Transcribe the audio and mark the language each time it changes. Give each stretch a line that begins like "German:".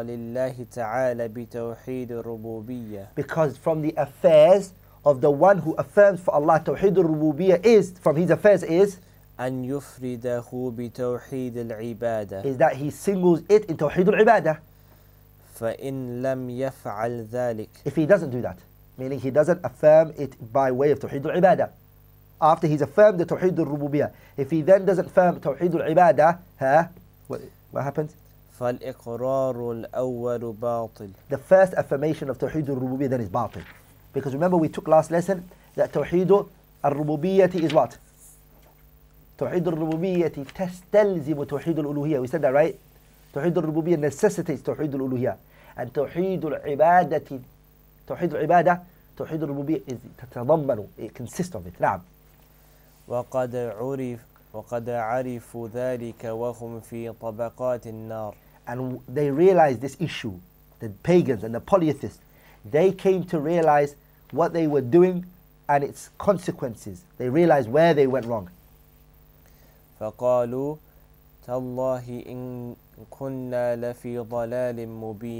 Arabic: لله تعالى بتوحيد الربوبية.
English: Because from the affairs of the one who affirms for Allah توحيد الربوبية is, from his affairs is,
Arabic: أن يفرده بتوحيد العبادة,
English: is that he singles it in توحيد العبادة.
Arabic: فإن لم يفعل ذلك,
English: if he doesn't do that, meaning he doesn't affirm it by way of توحيد العبادة, after he's affirmed the توحيد الربوبية, if he then doesn't affirm توحيد العبادة, huh, what happens?
Arabic: فالإقرار الأول باطل.
English: The first affirmation of توحيد الربوبية then is باطل. Because remember we took last lesson that توحيد الربوبية is what?
Arabic: توحيد الربوبية تستلزم توحيد الألوهية.
English: We said that, right? توحيد الربوبية necessitates توحيد الألوهية. And توحيد الربوبية is تتضمن, it consists of it. نعم.
Arabic: وقد عرفوا ذلك وهم في طبقات النار.
English: And they realized this issue. The pagans and the polytheists, they came to realize what they were doing and its consequences. They realized where they went wrong.
Arabic: فَقَالُوا تَاللَّهِ إِن كُنَّا لَفِي ضَلَالٍ مُبِينٍ.